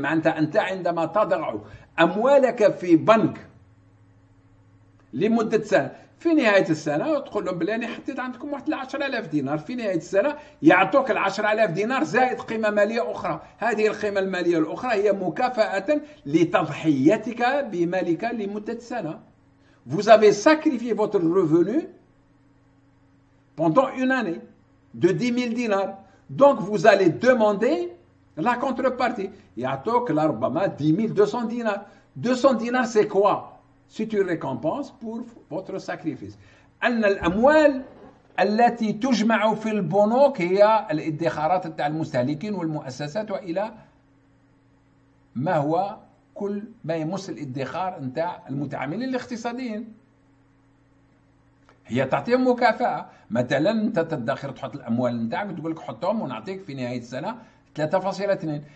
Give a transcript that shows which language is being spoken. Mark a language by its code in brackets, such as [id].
[ar] معناتها أنت عندما تضع أموالك في بنك لمدة سنة، في نهاية السنة تقول لهم بلاني حطيت عندكم واحد 10,000 دينار، في نهاية السنة يعطوك 10,000 دينار زائد قيمة مالية أخرى. هذه القيمة المالية الأخرى هي مكافأة لتضحيتك بمالك لمدة سنة. [fr] Vous avez sacrifié votre revenu pendant une année de 10,000 دينار. Donc vous allez demander la contrepartie. [ar] يعطوك لربما 10,200 دينار. [fr] 200 دينار c'est quoi؟ C'est une récompense pour votre sacrifice. [ar] أن الأموال التي تجمع في البنوك هي الادخارات بتاع المستهلكين والمؤسسات، والى ما هو كل ما يمس الادخار نتاع المتعاملين الاقتصاديين. هي تعطيهم مكافأة، مثلا انت تدخر تحط الاموال نتاعك تقول لك حطهم ونعطيك في نهاية السنة 3.2.